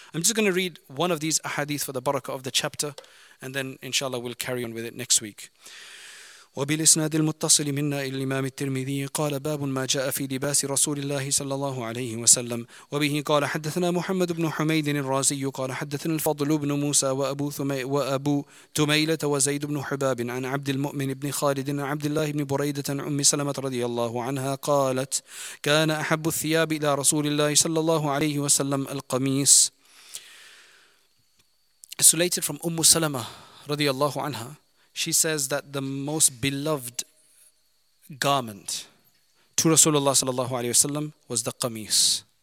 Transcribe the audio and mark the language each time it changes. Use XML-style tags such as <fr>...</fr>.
<en>I'm just going to read one of these ahadith for the barakah of the chapter, and then inshallah we'll carry on with it next week.</en> <ar>وبالإسناد المتصل منا إلى الإمام الترمذي قال باب ما جاء في لباس رسول الله صلى الله عليه وسلم وبه قال حدثنا محمد بن حميد الرازي قال حدثنا الفضل بن موسى وأبو تميلة وزيد بن حباب عن عبد المؤمن بن خالد عن عبد الله بن بريدة أم سلمة رضي الله عنها قالت كان أحب الثياب إلى رسول الله صلى الله عليه وسلم القميص.</ar> <en>Isolated from</en> <ar>أم سلمة رضي الله عنها,</ar> <en>she says that the most beloved garment to Rasulullah sallallahu alaihi wasallam was the qamis.</en>